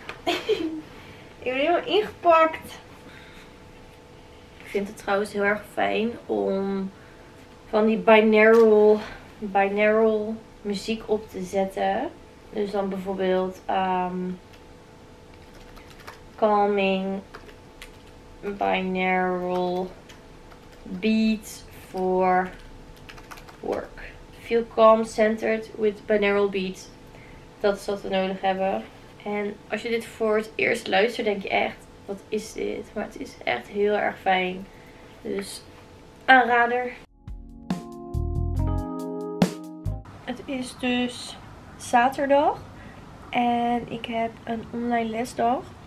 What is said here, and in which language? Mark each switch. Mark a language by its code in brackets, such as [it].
[nl] Ik ben helemaal ingepakt. Ik vind het trouwens heel erg fijn om van die binaural muziek op te zetten. Dus dan bijvoorbeeld [en] calming binaural Beats for work. Feel calm, centered with binaural beats. [nl] Dat is wat we nodig hebben. En als je dit voor het eerst luistert, denk je echt, wat is dit? Maar het is echt heel erg fijn. Dus aanrader. Het is dus zaterdag. En ik heb een online lesdag.